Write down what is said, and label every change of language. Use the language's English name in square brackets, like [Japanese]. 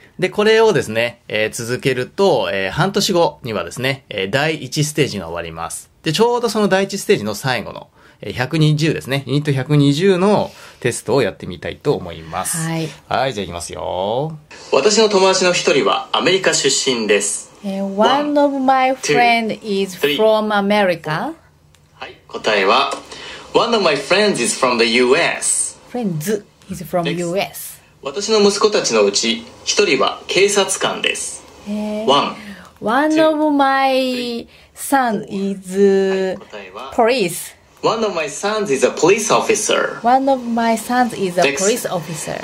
[Japanese] で、これをですね、続けると、半年後にはですね、第1ステージが終わります。で、ちょうどその第1ステージの最後の、120ですね、ユニット120のテストをやってみたいと思います。はい、はい、じゃあいきますよ。私の友達の一人はアメリカ出身です。 [English] One of my friend is from America. はい、答えは One of my friends is from the US. Friends is from US. [Japanese] 私の息子たちのうち一人は警察官です。 [English] One of my son is police. One of my sons is a police officer. One of my sons is a police officer.